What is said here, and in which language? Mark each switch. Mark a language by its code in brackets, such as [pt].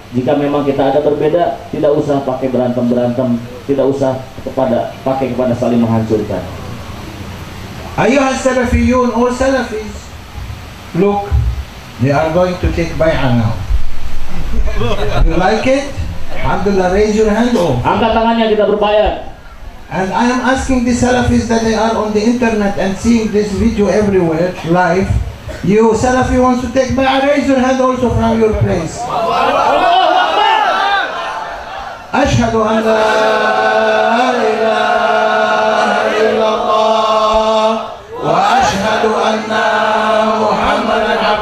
[id] Jika memang kita ada berbeda, tidak usah pakai berantem-berantem, tidak usah pakai kepada saling menghancurkan. [ar] Ayuh as-salafiyun, [en] all salafis, look, they are going to take bay'ah now. You like it? Alhamdulillah, raise your hand. Oh. [id] Angkat tangannya, kita berbayar. [en] And I am asking the salafis that they are on the internet and seeing this video everywhere, live, you salafi wants to take bay'ah, raise your hand also from your place. [ar] أشهد أن لا إله إلا الله وأشهد أن محمدًا